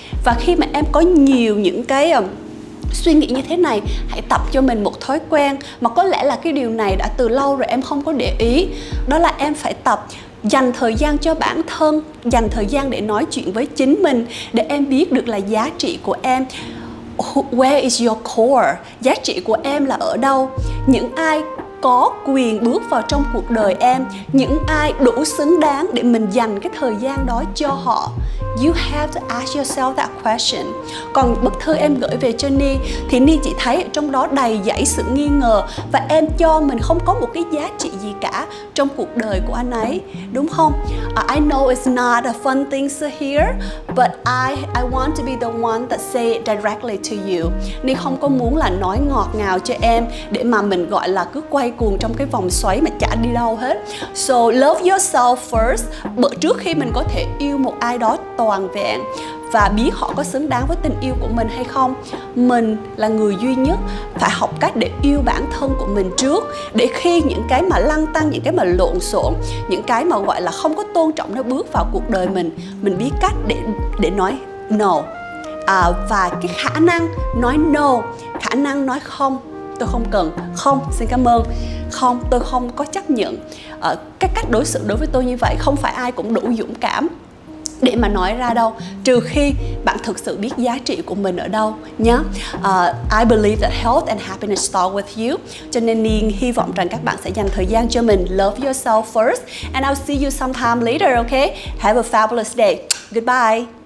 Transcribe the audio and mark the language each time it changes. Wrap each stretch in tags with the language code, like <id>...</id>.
<vi>Và khi mà em có nhiều những cái suy nghĩ như thế này, hãy tập cho mình một thói quen mà có lẽ là cái điều này đã từ lâu rồi em không có để ý, đó là em phải tập dành thời gian cho bản thân, dành thời gian để nói chuyện với chính mình, để em biết được là giá trị của em,</vi> <en>where is your core,</en> <vi>giá trị của em là ở đâu, những ai có quyền bước vào trong cuộc đời em, những ai đủ xứng đáng để mình dành cái thời gian đó cho họ.</vi> <en>You have to ask yourself that question.</en> <vi>Còn bức thư em gửi về cho Ni thì Ni chỉ thấy ở trong đó đầy dãy sự nghi ngờ, và em cho mình không có một cái giá trị gì cả trong cuộc đời của anh ấy, đúng không?</vi> <en>I know it's not a fun thing to hear, but I want to be the one that say it directly to you.</en> <vi>Ni không có muốn là nói ngọt ngào cho em để mà mình gọi là cứ quay cuồng trong cái vòng xoáy mà chả đi đâu hết.</vi> <en>So love yourself first,</en> <vi>bởi trước khi mình có thể yêu một ai đó toàn vẹn và biết họ có xứng đáng với tình yêu của mình hay không. Mình là người duy nhất phải học cách để yêu bản thân của mình trước, để khi những cái mà lăng tăng, những cái mà lộn xộn, những cái mà gọi là không có tôn trọng nó bước vào cuộc đời mình biết cách để nói no. Và cái khả năng nói no, khả năng nói không, tôi không cần, không, xin cảm ơn, không, tôi không có chấp nhận. Cái cách đối xử đối với tôi như vậy, không phải ai cũng đủ dũng cảm để mà nói ra đâu, trừ khi bạn thực sự biết giá trị của mình ở đâu nhé.</vi> <en>I believe that health and happiness start with you.</en> <vi>Cho nên Ni hy vọng rằng các bạn sẽ dành thời gian cho mình.</vi> <en>Love yourself first, and I'll see you sometime later, okay? Have a fabulous day. Goodbye.</en>